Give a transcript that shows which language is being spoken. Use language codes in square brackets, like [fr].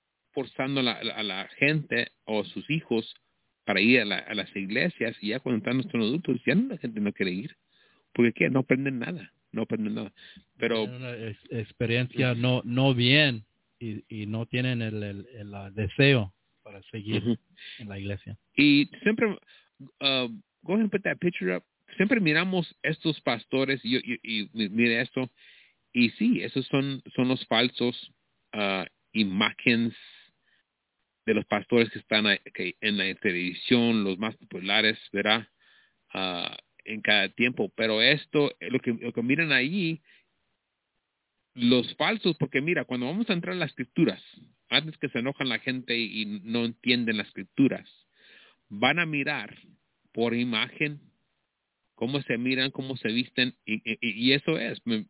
[es] Forzando a la gente o a sus hijos para ir a las iglesias. Y ya cuando están nuestros adultos, ya la gente no quiere ir. Porque, ¿qué? No aprenden nada. No aprenden nada. Pero tienen una experiencia no bien, y no tienen el deseo para seguir en la iglesia. Y siempre, [en] go ahead and put that picture up. [es] Siempre miramos estos pastores y mire esto, y sí, esos son los falsos imágenes de los pastores que están en la televisión, los más populares, ¿verdad? En cada tiempo, pero esto, lo que miran ahí, los falsos, porque mira, cuando vamos a entrar en las escrituras, antes que se enojan la gente y no entienden las escrituras, van a mirar por imagen, cómo se miran, cómo se visten, y eso es.